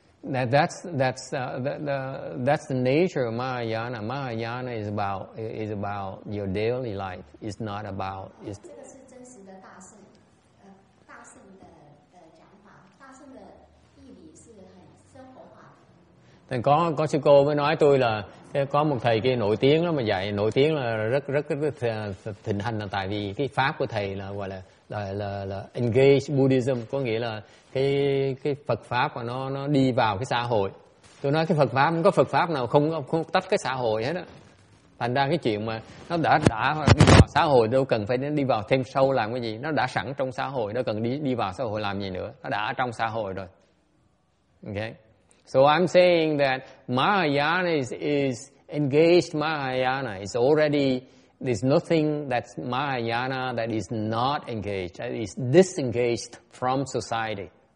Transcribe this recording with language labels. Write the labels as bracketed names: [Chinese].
[English] That's the nature of Mahayana. Mahayana is about your daily life. It's not about. This is [Chinese] 真实的大圣，大圣的讲法，大圣的义理是很生活化的。 [Vietnamese] Thầy có sư cô mới nói tôi là có một thầy kia nổi tiếng lắm mà dạy nổi tiếng là rất thịnh hành là tại vì cái pháp của thầy là gọi là engage Buddhism, có nghĩa là cái Phật pháp mà nó đi vào cái xã hội. Tôi nói cái Phật pháp, không có Phật pháp nào không tách cái xã hội hết á. Thành ra cái chuyện mà nó đã đi vào xã hội đâu cần phải đi vào thêm sâu làm cái gì, nó đã sẵn trong xã hội, nó cần đi vào xã hội làm gì nữa, nó đã ở trong xã hội rồi. [English] Okay, so I'm saying that Mahayana is engaged. Mahayana is already. There's nothing that's Mahayana that is not engaged, that is disengaged from society.